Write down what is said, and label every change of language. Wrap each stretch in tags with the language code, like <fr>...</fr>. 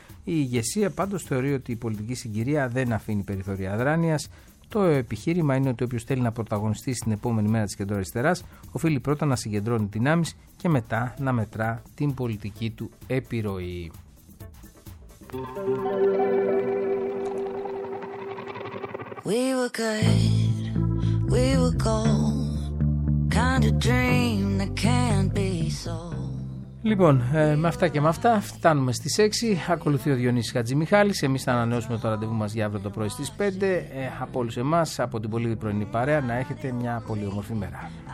<el>Η ηγεσία πάντως θεωρεί ότι η πολιτική συγκυρία δεν αφήνει περιθώρια αδράνειας. Το επιχείρημα είναι ότι όποιος θέλει να πρωταγωνιστεί στην επόμενη μέρα της κεντροαριστεράς οφείλει πρώτα να συγκεντρώνει δυνάμεις και μετά να μετρά την πολιτική του επιρροή.</el> <en>We were good, we were cold, kind of dream that can't be sold.</en> <el>Λοιπόν, με αυτά και με αυτά φτάνουμε στις 6. Ακολουθεί ο Διονύσης Χατζημιχάλης. Εμείς θα ανανεώσουμε το ραντεβού μας για αύριο το πρωί στις 5. Από όλους εμάς, από την πολύ πρωινή παρέα, να έχετε μια πολύ όμορφη μέρα.</el>